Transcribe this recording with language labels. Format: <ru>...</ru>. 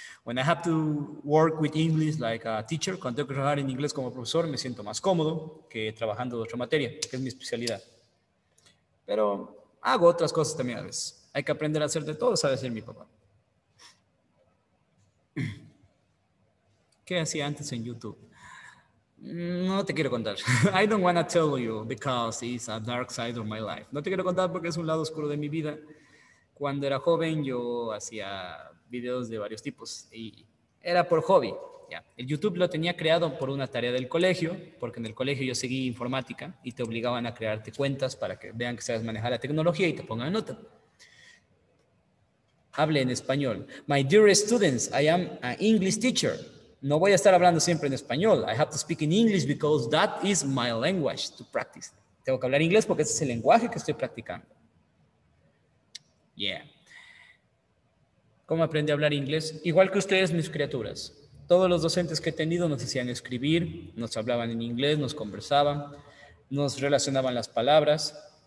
<en>When I have to work with English like a teacher,</en> <es>cuando tengo que trabajar en inglés como profesor, me siento más cómodo que trabajando de otra materia, que es mi especialidad. Pero hago otras cosas también a veces. Hay que aprender a hacer de todo, sabe decir mi papá. ¿Qué hacía antes en YouTube? No te quiero contar.</es> <en>I don't want to tell you because it's a dark side of my life.</en> <es>No te quiero contar porque es un lado oscuro de mi vida. Cuando era joven, yo hacía... videos de varios tipos y era por hobby, ya. El YouTube lo tenía creado por una tarea del colegio, porque en el colegio yo seguí informática y te obligaban a crearte cuentas para que vean que sabes manejar la tecnología y te pongan nota. Hable en español.</es> <en>My dear students, I am an English teacher.</en> <es>No voy a estar hablando siempre en español.</es> <en>I have to speak in English because that is my language to practice.</en> <es>Tengo que hablar inglés porque ese es el lenguaje que estoy practicando. Yeah. ¿Cómo aprendí a hablar inglés? Igual que ustedes, mis criaturas. Todos los docentes que he tenido nos hacían escribir, nos hablaban en inglés, nos conversaban, nos relacionaban las palabras.</es>